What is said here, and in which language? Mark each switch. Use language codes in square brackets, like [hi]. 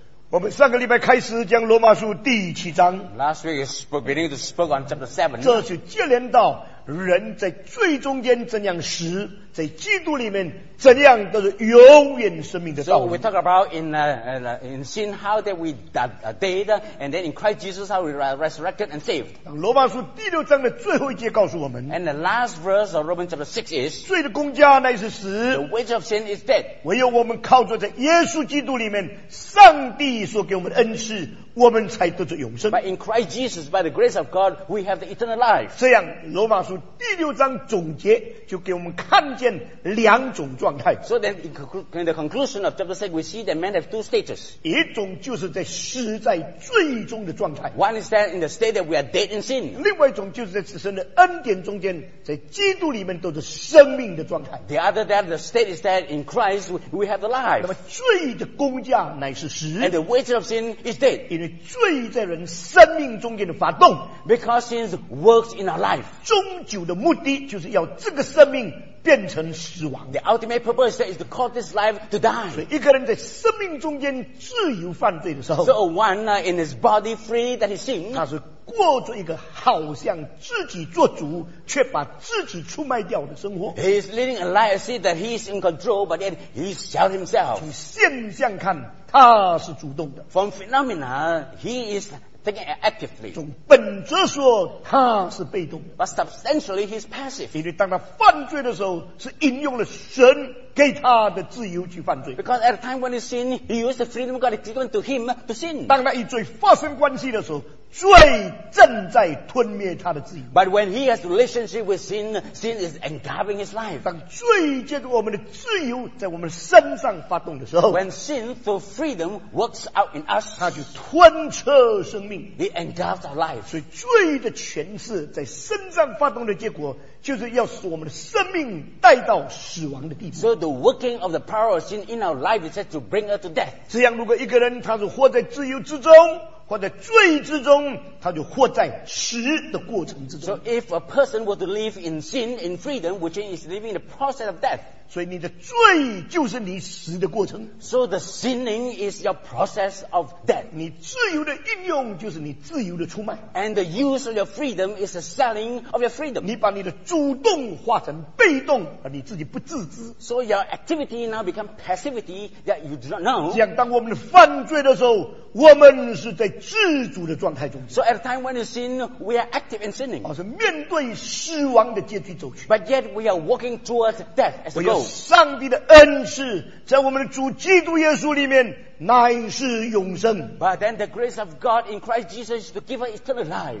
[zh] 我们上个礼拜开始讲罗马书第七章。 [en] Last week is beginning to speak on chapter seven。 [zh] 这就接连到人在罪中间怎样死，在基督里面怎样都是永远生命的道理。 [en] So we talk about in sin how that we died, and then in Christ Jesus how we resurrected and saved。 [zh] 罗马书第六章的最后一节告诉我们。 [en] And the last verse of Romans chapter six is [zh] 罪的工价乃是死。 [en] The wage of sin is death。 [zh] 唯有我们靠着在耶稣基督里面，上帝所给我们的恩赐。我们才得着永生。 [en] But in Christ Jesus, by the grace of God, we have the eternal life. [zh] 这样，罗马书第六章总结就给我们看见两种状态。 [en] So then, in the conclusion of chapter 6, we see that men have two stages. [zh] 一种就是在死在罪中的状态。 [en] One is that in the state that we are dead in sin. [zh] 另外一种就是在神的恩典中间，在基督里面都是生命的状态。 [en] The other that the state is that in Christ we have the life. [zh] 那么罪的工价乃是死。 [en] And the wages of sin is death. [zh] 因为罪在人生命中间的发动 [en] ，because sin works in our life， [zh] 终究的目的就是要这个生命变成死亡。 [en] The ultimate purpose is to cause this life to die。 [zh] 所以一个人在生命中间自由犯罪的时候 [en] ，so one in his body free that he sin， [zh] 他是过着一个好像自己做主，却把自己出卖掉的生活。 [en] He is living a life as if that he is in control, but yet he sells himself。 [zh] 从现象看。他是主动的。 [en] From phenomena, he is thinking actively. [zh] 从本质说，他是被动的。 [en] But substantially, he's passive. [zh] 因为当他犯罪的时候，是引用了神给他的自由去犯罪。 [en] Because at the time when he sinned, he used the freedom God given to him to sin. [zh] 当他与罪发生关系的时候，罪正在吞灭他的自由。 [en] But when he has relationship with sin, sin is engulfing his life. [zh] 当罪借着我们的自由在我们身上发动的时候 [en] ，When sin for freedom works out in us, [zh] 他就吞吃生命。 [en] He engulfs our life. [zh] 所以罪的权势在身上发动的结果。就是要使我们的生命带到死亡的地步。 [en] So the working of the power of sin in our life is said to bring us to death. [zh] 这样，如果一个人他是活在自由之中，活在罪之中，他就活在死的过程之中。 [en] So if a person were to live in sin in freedom, which is living in the process of death. [zh] 所以你的罪就是你死的过程。 [en] So the sinning is your process of death. [zh] 你自由的应用就是你自由的出卖。 [en] And the use of your freedom is the selling of your freedom. [zh] 你把你的主动化成被动，而你自己不自知。 [en] So your activity now become passivity that you do not know. [zh] 这样，当我们犯罪的时候，我们是在自主的状态中。 [en] So at the time when you sin, we are active in sinning. [zh] 而是面对死亡的结局走去。 [en] But yet we are walking towards death as a goal. [zh] 上帝的恩赐在我们的主基督耶稣里面乃是永生。 [en] But then the grace of God in Christ Jesus is to give us eternal life.